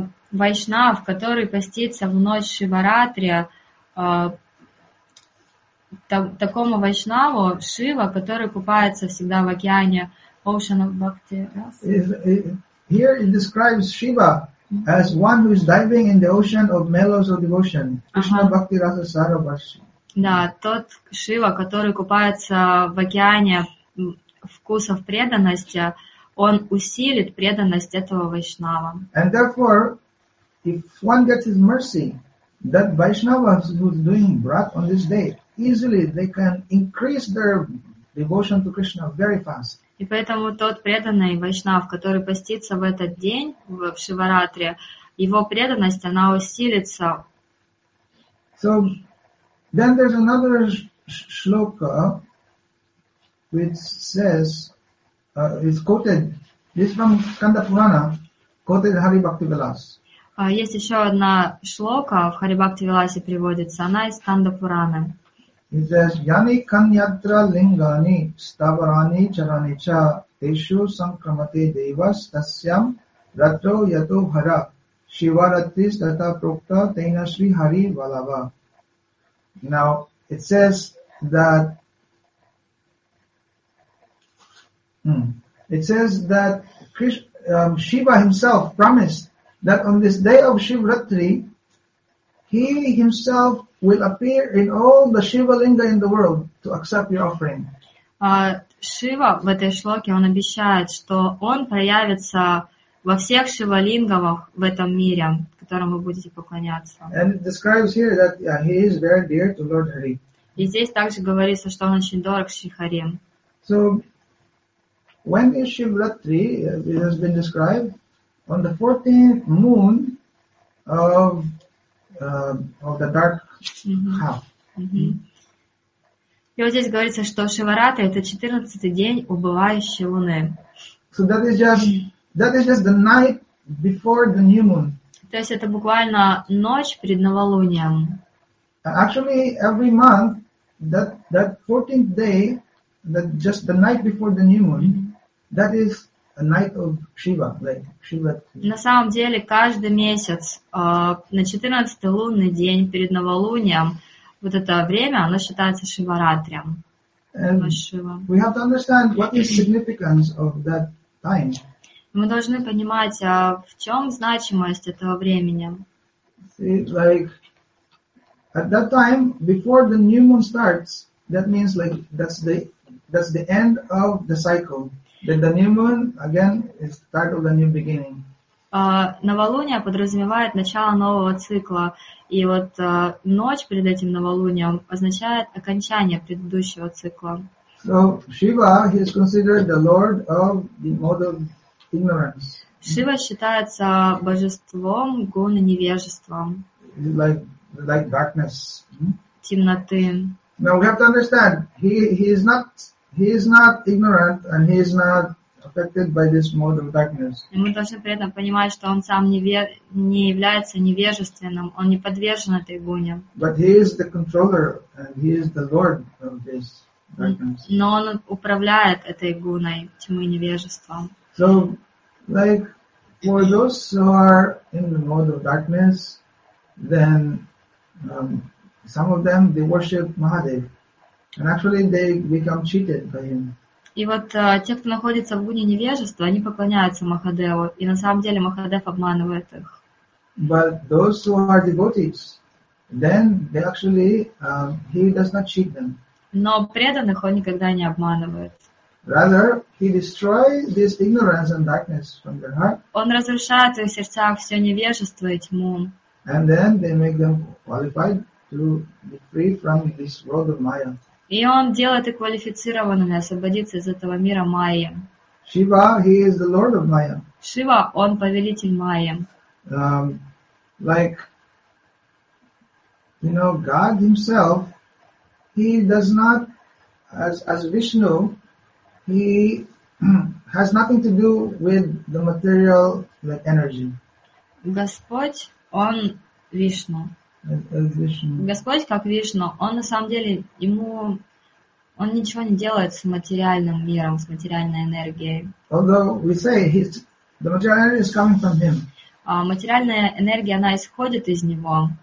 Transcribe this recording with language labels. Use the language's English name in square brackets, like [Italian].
[Russian] Вайшнав, который постится в ночь Шиваратри, такому Вайшнаву, Шива, который купается всегда в океане [English] Ocean of Bhakti Rasa. Here it describes Shiva as one who is diving in the ocean of mellows of devotion. [Sanskrit] Krishna Bhakti Rasa Saravashi. [Russian] Да, тот Шива, который купается в океане вкусов преданности, он усилит преданность этого Вайшнава. [English] And therefore, if one gets his mercy, that Vaishnava who's doing brat on this day, easily they can increase their devotion to Krishna very fast. [Russian] И поэтому тот преданный Вайшнав, который постится в этот день, в Шиваратри, его преданность, она усилится. [English] So, then there's another shloka which says, is quoted, this is from Skanda Purana, quoted Hari Bhakti Vilas. [Russian] Есть еще одна шлока в Hari Bhakti Vilasе приводится, она из Skanda Purana. [English] It says, [Sanskrit] Yani kanyatra lingani stavarani charani cha teshu sankramate devas tasyam ratro yato hara shivaratri stata prokta tena shri hari valava. [English] Now, it says that Shiva himself promised that on this day of Shivratri, he himself will appear in all the Shiva Linga in the world to accept your offering. [Russian] Шива в этой шлоке он обещает, что он проявится во всех Шива Лингах в этом мире, которому вы будете поклоняться. [English] And it describes here that he is very dear to Lord Hari. [Russian] И здесь также говорится, что он очень дорог Шри Хари. [English] So, when is Shivratri? It has been described on the 14th moon of the dark half. [Russian] И вот здесь говорится, что Шиваратри это 14th день убывающей луны. [English] So that is just the night before the new moon. [Russian] То есть это буквально ночь перед новолунием. [English] Actually, every month that 14th day, that just the night before the new moon. That is a night of Shiva, like Shiva. [Russian] На самом деле, каждый месяц, на 14-й лунный день перед новолунием, вот это время, оно считается Шиваратрием. [English] We have to understand what is the significance of that time. [Russian] Мы должны понимать, в чем значимость этого времени. [English] See, like, at that time, before the new moon starts, that means like that's the end of the cycle. Then the new moon again is the start of the new beginning. [Russian] Новолуние подразумевает начало нового цикла, и вот ночь перед этим новолунием означает окончание предыдущего цикла. [English] So Shiva, he is considered the lord of the mode of ignorance. [Russian] Шива считается божеством гуны невежества. [English] Like darkness. [Russian] Темноты. [English] Now we have to understand, he is not ignorant and he is not affected by this mode of darkness. [Russian] И мы должны при этом понимать, что он сам не является невежественным, он не подвержен этой гуне. [English] But he is the controller and he is the lord of this darkness. [Russian] Но он управляет этой гуной тьмы невежества. [English] So, like, for those who are in the mode of darkness, then some of them, they worship Mahadev. And actually, they become cheated by him. [Russian] И вот те, кто находится в гуне невежества, они поклоняются Махадеву, и на самом деле Махадев обманывает их. [English] But those who are devotees, then they actually he does not cheat them. [Russian] Но преданных он никогда не обманывает. [English] Rather, he destroys this ignorance and darkness from their heart. [Russian] Он разрушает в их сердцах все невежество и тьму. [English] And then they make them qualified to be free from this world of Maya. [Russian] И он делает их квалифицированными освободиться из этого мира Майи. [English] Shiva, he is the lord of Maya. [Russian] Шива, он повелитель Майи. [English] Like, you know, God himself, he does not, as Vishnu, he has nothing to do with the material, like, energy. [Russian] Господь, он Вишну. Господь, как Вишну, он на самом деле, ему... Он ничего не делает с материальным миром, с материальной энергией. [English] Although we say he's, the material energy is coming from him. [Russian] Материальная энергия, она исходит из него.